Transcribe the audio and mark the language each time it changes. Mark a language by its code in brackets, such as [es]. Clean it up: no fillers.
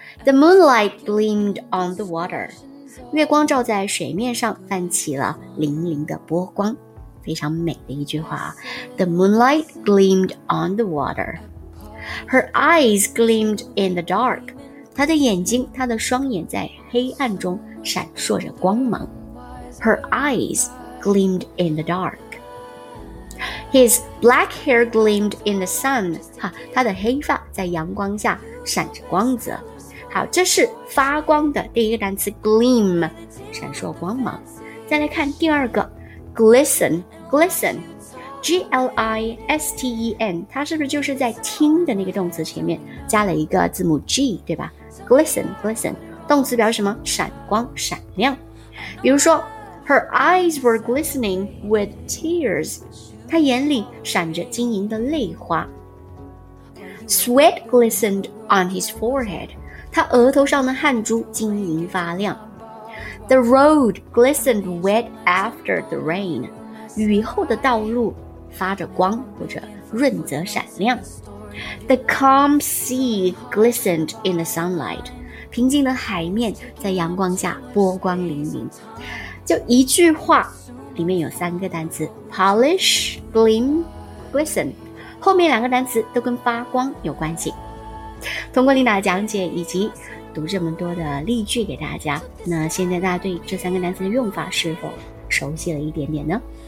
[en] The moonlight gleamed on the water. [zh] 月光照在水面上，泛起了粼粼的波光，非常美的一句话。 [en] The moonlight gleamed on the water. Her eyes gleamed in the dark. [zh] 她的眼睛，她的双眼在黑暗中闪烁着光芒。 [en] Her eyes gleamed in the dark. His black hair gleamed in the sun. [zh] 哈，他的黑发在阳光下闪着光泽。好，这是发光的第一个单词 gleam， 闪烁光芒。再来看第二个 glisten，glisten，G-L-I-S-T-E-N， 它是不是就是在听的那个动词前面加了一个字母 g， 对吧 ？glisten，glisten， 动词表示什么？闪光、闪亮。比如说 ， [en] Her eyes were glistening with tears， [zh] 她眼里闪着晶莹的泪花。 [en] Sweat glistened on his forehead。 [zh] 他额头上的汗珠晶莹发亮。 [en] The road glistened wet after the rain. [zh] 雨后的道路发着光，或者润泽闪亮。 [en] The calm sea glistened in the sunlight. [zh] 平静的海面在阳光下波光粼粼。就一句话，里面有三个单词 polish, gleam, glisten. 后面两个单词都跟发光有关系。通过琳达的讲解以及读这么多的例句给大家，那现在大家对这三个单词的用法是否熟悉了一点点呢？